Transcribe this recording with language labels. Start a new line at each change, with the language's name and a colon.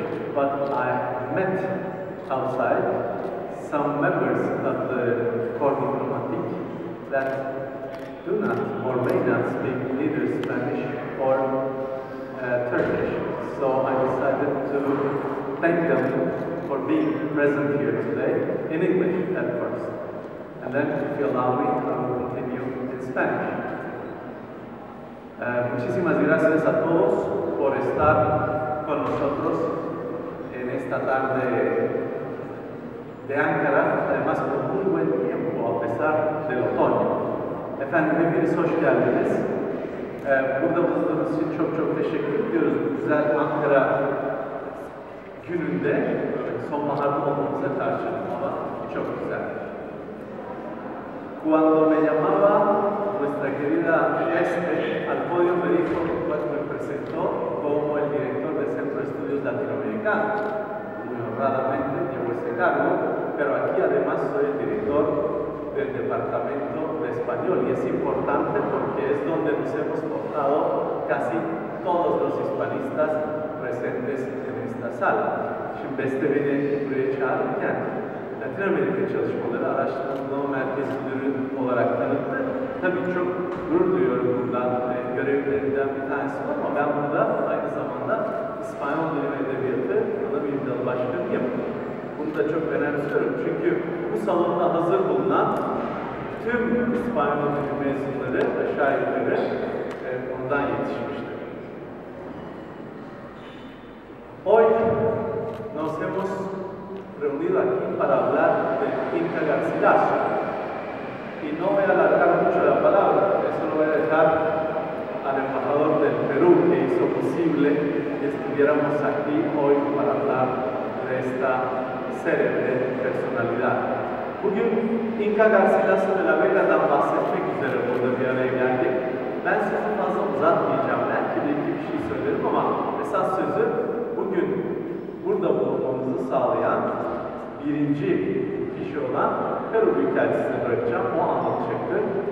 English: outside, some members of the core diplomatic that do not or may not speak either Spanish or Turkish. So I decided to thank them for being present here today in English at first. And then, if you allow me, I will continue in Spanish.
Spanish: Muchísimas gracias a todos por estar con nosotros en esta tarde de Ankara, además con muy buen tiempo a pesar del otoño.
Turkish: Efendim, hepiniz hoş geldiniz. Burada bulunduğunuz için çok çok teşekkür ediyoruz. Güzel Ankara gününde sonbaharda olmamıza karşın ama çok güzel.
Spanish: Cuando me llamaba nuestra querida Esther al podio me dijo que me presentó como el director del Centro de Estudios Latinoamericanos. Muy honradamente llevo ese cargo, pero aquí además soy el director del Departamento de Español y es importante porque es donde nos hemos portado casi todos los hispanistas presentes en esta sala.
Turkish: Şimdi beste beni buraya çağırırken Latin Amerika çalışmaları araştırma merkez müdürü olarak tanıttı. Tabii çok gurur duyuyorum bundan ve görevlerimden bir tanesi var ama ben burada aynı zamanda İspanyol dilim edebiyatı ana bir dal başkanıyım. Bunu da çok önemsiyorum çünkü bu salonda hazır bulunan tüm İspanyol dilim mezunları aşağı yukarı oradan yetişmiştir.
Spanish: Hoy nos hemos reunido aquí para hablar de intergalactic. Y no voy a alargar mucho la palabra, eso lo voy a dejar al embajador del Perú que hizo posible que estuviéramos aquí hoy para hablar de esta célebre personalidad.
Turkish: Bugün İnka Garcilaso'yla Vega'dan bahsetmek üzere burada bir araya geldik. Ben sizi fazla uzatmayacağım, belki de iki bir şey söylerim ama esas sözü bugün burada bulunmamızı sağlayan birinci kişi olan Peru Büyükelçisi'ne bırakacağım. O anlatacaktır.